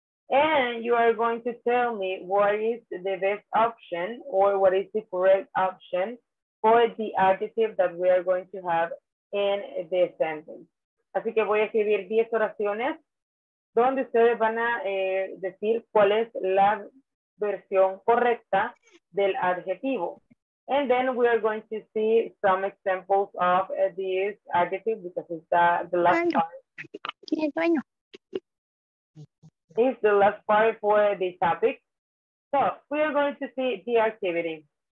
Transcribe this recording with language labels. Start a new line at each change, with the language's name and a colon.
English: And you are going to tell me what is the best option or what is the correct option for the adjective that we are going to have in the sentence.
Spanish: Así que voy a escribir 10 oraciones donde ustedes van a decir cuál es la versión correcta del adjetivo.
English: And then we are going to see some examples of this adjective because it's the last part. It's the last part for the topic. So we are going to see the activity.